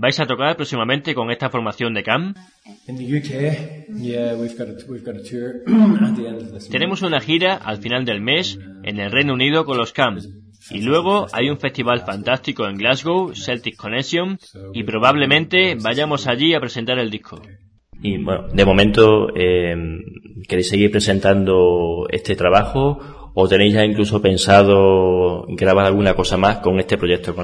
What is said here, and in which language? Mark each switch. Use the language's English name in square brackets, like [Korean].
[Spanish] ¿Vais a tocar próximamente con esta formación de Cam? [English] In the UK, yeah, we've got a tour at the end of this month. [Spanish] Tenemos una gira al final del mes en el Reino Unido con los Cam. Y luego hay un festival fantástico en Glasgow, Celtic Connection, y probablemente vayamos allí a presentar el disco. Y bueno, de momento, ¿queréis seguir presentando este trabajo o tenéis ya incluso pensado grabar alguna cosa más con este proyecto?